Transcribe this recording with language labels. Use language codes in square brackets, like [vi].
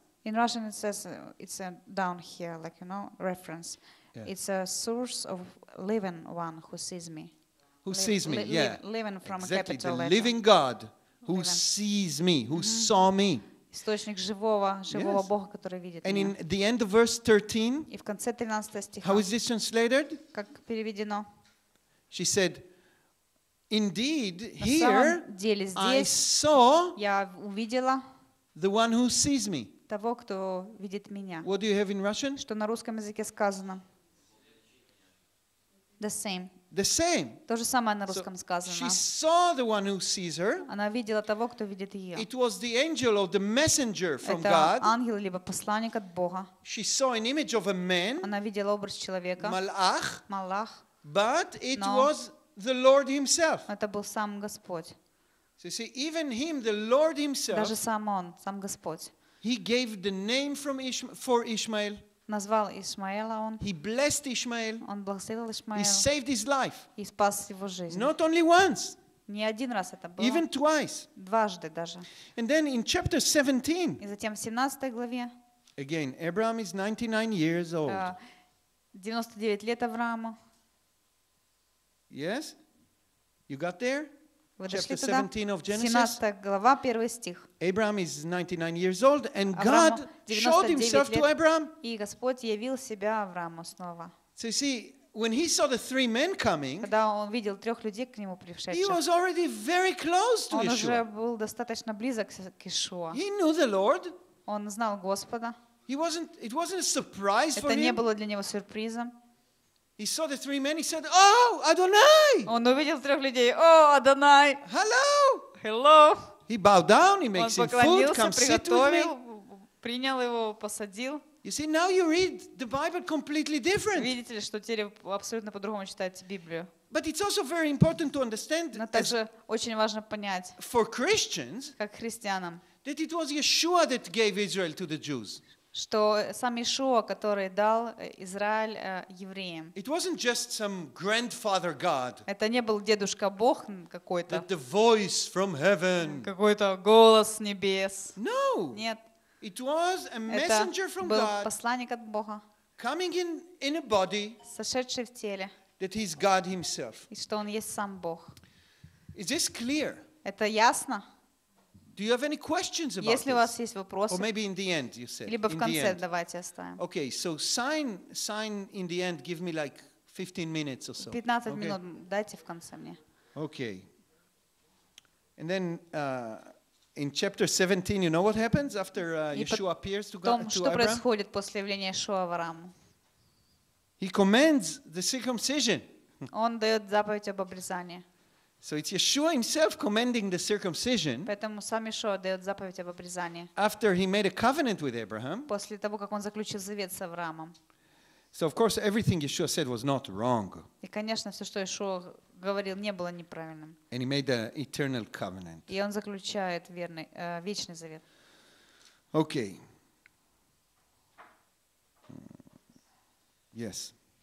[en] In Russian, it says it's down here, like you know, reference. Yeah. It's a source of living one who sees me. Who sees me, yeah. Living from exactly, a capital letter. Exactly, the living God who sees me, who saw me. [ru] Источник живого Бога, который видит меня. [en] And in the end of verse 13, [ru] и в конце 13 стиха, [en] how is this translated? [ru] Как переведено? [en] She said, indeed, here I saw [ru] я увидела [en] the one who sees me. [ru] Того, кто видит меня. [en] What do you have in Russian? [ru] Что на русском языке сказано? [en] The same. The same. [ru] То же самое на русском сказано. [en] She saw the one who sees her. [ru] Она видела того, кто видит ее. [en] It was the angel or the messenger from God. [ru] Это ангел либо посланник от Бога. [en] She saw an image of a man. [ru] Она видела образ человека. Малах. Малах. [en] But it was the Lord himself. [ru] Это был сам Господь. [en] So you see, even him, the Lord himself. [ru] Даже сам он, сам Господь. [en] He gave the name from for Ishmael. [ru] Назвал Исмаила он. [en] He blessed Ishmael. [ru] Он благословил Исмаила. [en] He saved his life. [ru] И спас его жизнь. [en] Not only once. [ru] Не один раз это было. [en] Even twice. [ru] Дважды даже. [en] And then in chapter 17. [ru] И затем в 17 главе. [en] Again, Abraham is 99 years old. [ru] 99 лет Аврааму. [en] Yes? You got there? Chapter 17 of Genesis. [ru] 17 глава, 1 стих. [en] Abraham is 99 years old and God showed himself to Abraham. [ru] И Господь явил себя Аврааму снова. [en] So you see, when he saw the three men coming, [ru] когда он видел трех людей к нему пришедших, [en] he was already very close to Yeshua. [ru] Он уже был достаточно близок к Ишуа. [en] He knew the Lord. [ru] Он знал Господа. [en] It wasn't a surprise for him. [ru] Это не было для него сюрпризом. [en] He saw the three men. He said, "Oh, Adonai!" [ru] Он увидел трех людей. О, Адонай! [en] Hello! Hello! He bowed down. He makes him food. Come sit with me. [ru] Принял его, посадил. [en] You see, now you read the Bible completely different. [ru] Видите ли, что теперь абсолютно по-другому читаете Библию. [en] But it's also very important to understand. [ru] Но также очень важно понять. [en] For Christians, [ru] как христианам, [en] that it was Yeshua that gave Israel to the Jews. [ru] Что сам Ишуа, который дал Израиль евреям. [en] It wasn't just some grandfather God. [ru] Это не был дедушка Бог какой-то. [en] The voice from heaven. [ru] Какой-то голос небес. [en] No. [ru] Нет. [en] It was a messenger from God. [ru] Это был посланник от Бога. [en] Coming in a body. [ru] Сошедший в теле. [en] That he's God himself. [ru] И что он есть сам Бог. [en] Is this clear? [ru] Это ясно? [en] Do you have any questions about [ru] Если У вас есть вопросы, [en] or maybe in the end, you said. [ru] Либо в [en] in [ru] конце [en] the end. [ru] Давайте оставим. [en] Okay, so sign in the end. Give me like 15 minutes or so. [ru] 15 минут дайте в конце мне. [en] Okay. And then in chapter 17, you know what happens after Yeshua appears to Abraham? [ru] Что происходит после явления Ишуа Аврааму? [en] He commands the circumcision. [ru] Он дает заповедь об обрезании. [en] So it's Yeshua himself commanding the circumcision. [ru] Поэтому сам Ишуа дает заповедь об обрезании. [en] After he made a covenant with Abraham. [ru] После того, как он заключил завет с Авраамом. [en] So of course everything Yeshua said was not wrong. [ru] И конечно, все, что Ишуа говорил, не было неправильным. [en] And he made the eternal covenant. [ru] И он заключает верный вечный завет. [en] Okay. Yes.